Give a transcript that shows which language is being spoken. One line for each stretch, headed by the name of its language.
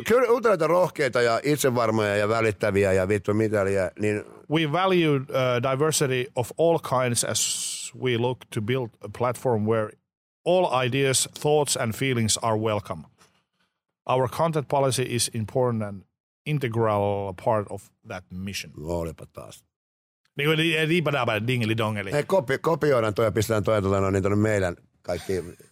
Finnish: Uteliaita, rohkeita ja itsevarmoja ja välittäviä ja vittu mitäliä. Niin.
English: We value diversity of all kinds as we look to build a platform where all ideas, thoughts and feelings are welcome. Our content policy is important and integral part of that mission.
Finnish: Olipa taas. Niin kuin liipadaapa dingeli dongeli. Hei, kopioidaan toi ja pistetään toi tuota, niin tuonne meidän kaikki.